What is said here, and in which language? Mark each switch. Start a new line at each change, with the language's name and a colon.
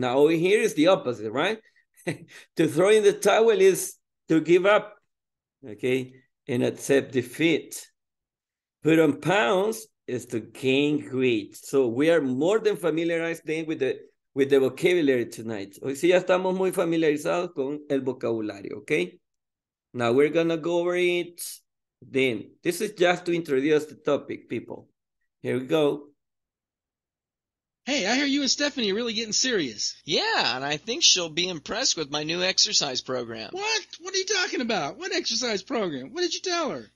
English: Now over here is the opposite, right? To throw in the towel is to give up, okay? And accept defeat. Put on pounds is to gain weight. So we are more than familiarized then with the vocabulary tonight.
Spanish: Hoy sí ya estamos muy familiarizados con el vocabulario, okay?
English: Now we're gonna go over it. Then, this is just to introduce the topic, people. Here we go. Hey, I hear you and Stephanie are really getting serious. Yeah, and I think she'll be impressed with my new exercise program. What? What are you talking about? What exercise program? What did you tell her?